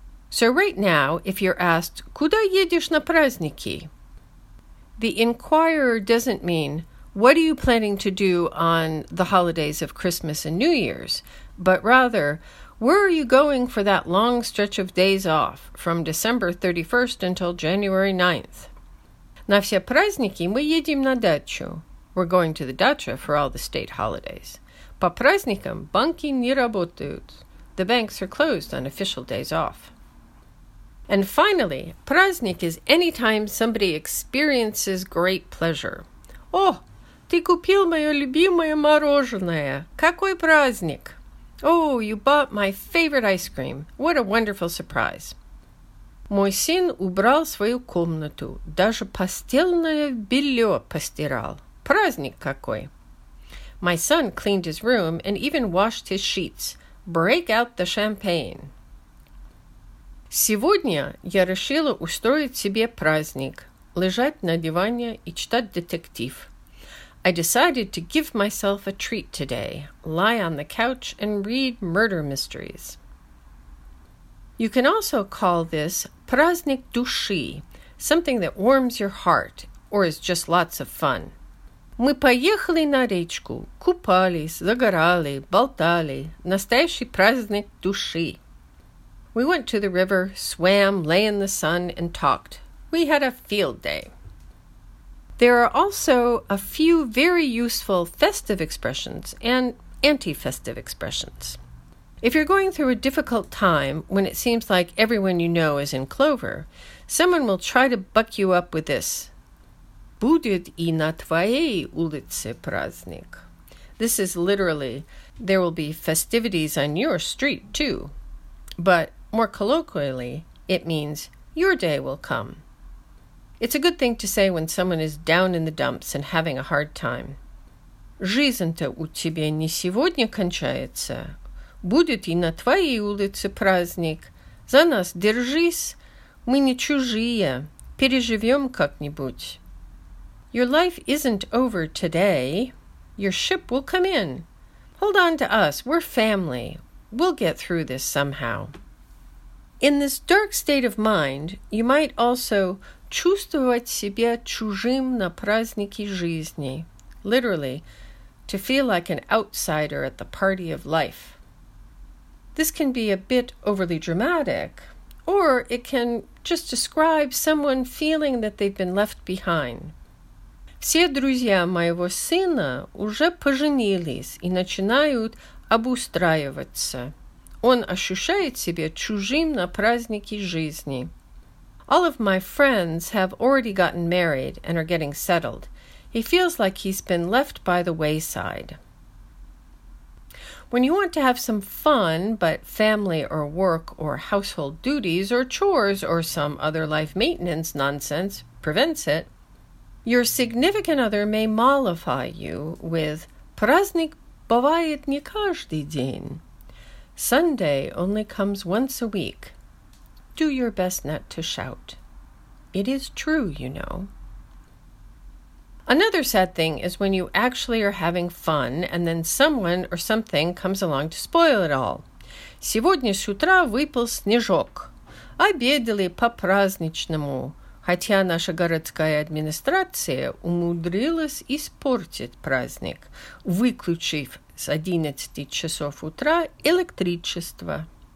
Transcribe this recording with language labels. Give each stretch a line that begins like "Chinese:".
English: So right now, if you're asked,
Russian: куда едешь на праздники?
English: The inquirer doesn't mean, what are you planning to do on the holidays of Christmas and New Year's? But rather, where are you going for that long stretch of days off from December 31st until January 9th?
Russian: На все праздники мы едем на дачу.
English: We're going to the dacha for all the state holidays.
Russian: По праздникам банки не работают.
English: The banks are closed on official days off. And finally, праздник is any time somebody experiences great pleasure.
Russian: Oh, ты купил мое любимое мороженое. Какой праздник?
English: Oh, you bought my favorite ice cream. What a wonderful surprise.
Russian: Мой сын убрал свою комнату, даже постельное белье постирал. Праздник какой!
English: My son cleaned his room and even washed his sheets. Break out the champagne!
Russian: Сегодня я решила устроить себе праздник, лежать на диване и читать детектив.
English: I decided to give myself a treat today, lie on the couch and read murder mysteries. You can also call this
Russian: праздник души,
English: something that warms your heart, or is just lots of fun.
Russian: Мы поехали на речку, купались, загорали, болтали. Настоящий праздник души.
English: We went to the river, swam, lay in the sun, and talked. We had a field day. There are also a few very useful festive expressions and anti-festive expressions. If you're going through a difficult time when it seems like everyone you know is in clover, someone will try to buck you up with this.
Russian: Будет и на твоей улице праздник.
English: This is literally, there will be festivities on your street too. But more colloquially, it means your day will come. It's a good thing to say when someone is down in the dumps and having a hard time.
Russian: Жизнь-то у тебя не сегодня кончается. Будет и на твоей улице праздник. За нас держись. Мы не чужие. Переживем как-нибудь.
English: Your life isn't over today. Your ship will come in. Hold on to us. We're family. We'll get through this somehow. In this dark state of mind, you might also
Russian: чувствовать себя чужим на празднике жизни.
English: Literally, to feel like an outsider at the party of life. This can be a bit overly dramatic, or it can just describe someone feeling that they've been left behind.
Russian: Все друзья моего сына уже поженились и начинают обустраиваться. Он ощущает себя чужим на празднике жизни.
English: All of my friends have already gotten married and are getting settled. He feels like he's been left by the wayside. When you want to have some fun, but family or work or household duties or chores or some other life maintenance nonsense prevents it, your significant other may mollify you with
Russian: праздник бывает не каждый день.
English: Sunday only comes once a week. Do your best not to shout. It is true, you know. Another sad thing is when you actually are having fun and then someone or something comes along to spoil it all.
Russian: Сегодня с утра выпал снежок. Обедали по-праздничному, хотя наша городская администрация умудрилась испортить праздник, выключив с 11 часов утра электричество.